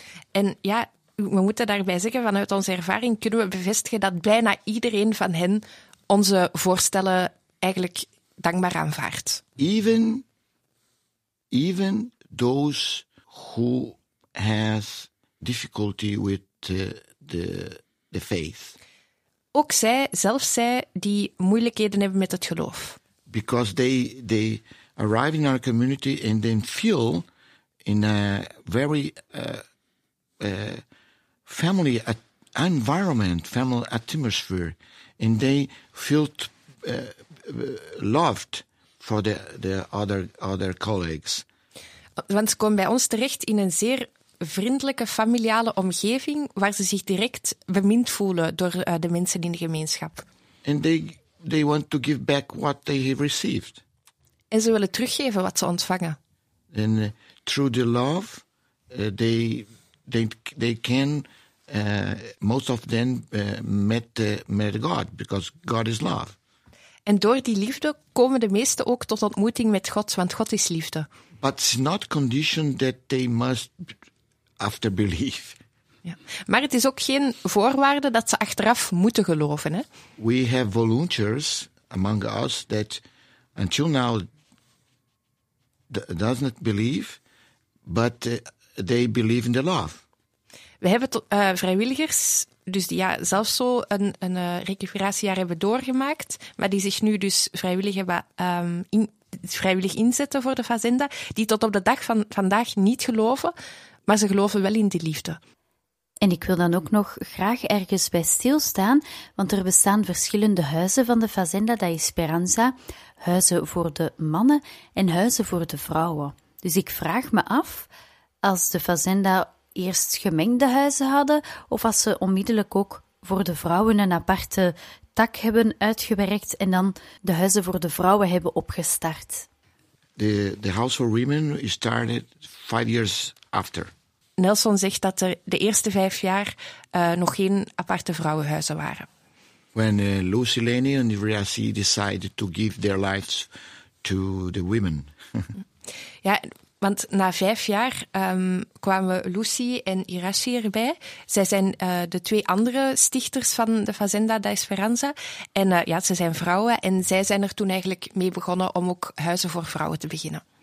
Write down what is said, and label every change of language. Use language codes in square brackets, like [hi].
[nl] En ja, we moeten daarbij zeggen, vanuit onze ervaring kunnen we bevestigen dat bijna iedereen van hen onze voorstellen eigenlijk dankbaar aanvaardt. [en] Even those who has difficulty with the faith. [nl] Ook zij, zelfs zij, die moeilijkheden hebben met het geloof. [en] Because they arrive in our community and they feel in a very family environment, family atmosphere, and they feel loved for the other colleagues. [nl] Want ze komen bij ons terecht in een zeer vriendelijke, familiale omgeving waar ze zich direct bemind voelen door de mensen in de gemeenschap. [en] And they want to give back what they have received. [nl] en ze willen teruggeven wat ze ontvangen. [en] And through the love, they can most of them met God, because God is love. [nl] En door die liefde komen de meesten ook tot ontmoeting met God, want God is liefde. [en] But it's not conditioned that they must after believe. [nl] Ja. Maar het is ook geen voorwaarde dat ze achteraf moeten geloven, hè? [en] We have volunteers among us that until now doesn't believe, but they believe in the love. [nl] We hebben vrijwilligers, dus die ja, zelf zo een recuperatiejaar hebben doorgemaakt, maar die zich nu dus vrijwillig hebben vrijwillig inzetten voor de Fazenda, die tot op de dag van vandaag niet geloven, maar ze geloven wel in die liefde. En ik wil dan ook nog graag ergens bij stilstaan, want er bestaan verschillende huizen van de Fazenda da Esperanza, huizen voor de mannen en huizen voor de vrouwen. Dus ik vraag me af, als de Fazenda eerst gemengde huizen hadden, of als ze onmiddellijk ook voor de vrouwen een aparte tak hebben uitgewerkt en dan de huizen voor de vrouwen hebben opgestart. [en] The house for women started 5 years after. [nl] Nelson zegt dat er de eerste 5 jaar nog geen aparte vrouwenhuizen waren. [en] When Lucy Laney and Rhea C decided to give their lives to the women. [nl] Ja, want na 5 jaar kwamen Lucy en Irashi erbij. Zij zijn de twee andere stichters van de Fazenda da Esperanza. En ja, ze zijn vrouwen en zij zijn er toen eigenlijk mee begonnen om ook huizen voor vrouwen te beginnen.